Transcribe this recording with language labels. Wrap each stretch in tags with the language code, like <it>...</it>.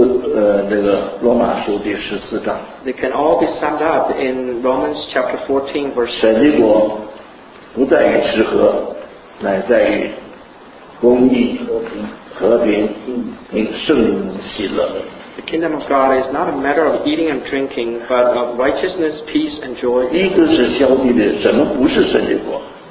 <en>They can all be summed up in Romans chapter 14, verse 7.</en> <zh>神的国不在于吃喝，乃在于公义、和平、圣灵、喜乐。</zh> <en>The kingdom of God is not a matter of eating and drinking, but of righteousness, peace, and joy.</en> <zh>一个是消极的，什么不是神的国？</zh>